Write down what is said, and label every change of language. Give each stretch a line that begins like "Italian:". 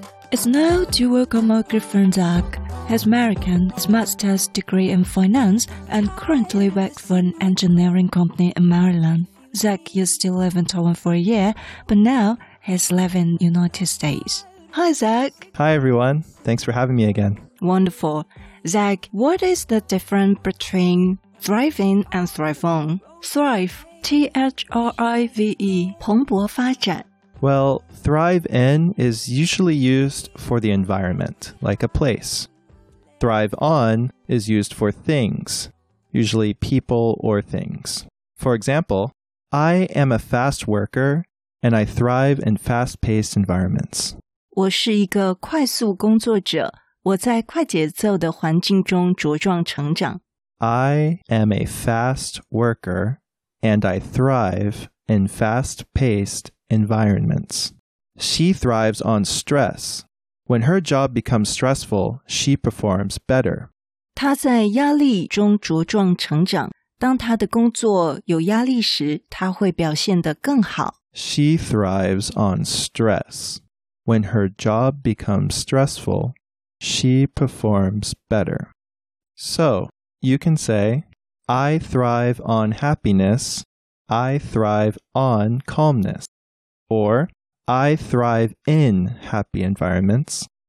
English: It's now to welcome our good friend Zach. He's American, has master's degree in finance, and currently works for an engineering company in Maryland. Zach used to live in Taiwan for a year, but now he's living in the United States. Hi, Zach. Hi, everyone. Thanks for having me again. Wonderful. Zach, what is the difference between thriving and thrive on? Thrive, T-H-R-I-V-E, 蓬勃发展。 Well, thrive in is usually used for the environment, like a place. Thrive on is used for things, usually people or things. For example, I am a fast worker and I thrive in fast-paced environments.
Chinese: 我是一个快速工作者，我在快节奏的环境中茁壮成长。
English: I am a fast worker and I thrive in fast-paced environments. She thrives on stress. When her job becomes stressful, she performs better.
Chinese: 她在压力中茁壮成长。当她的工作有压力时，她会表现得更好。
English: She thrives on stress. When her job becomes stressful, she performs better. So, you can say, I thrive on happiness. I thrive on calmness. Or, I thrive in happy environments.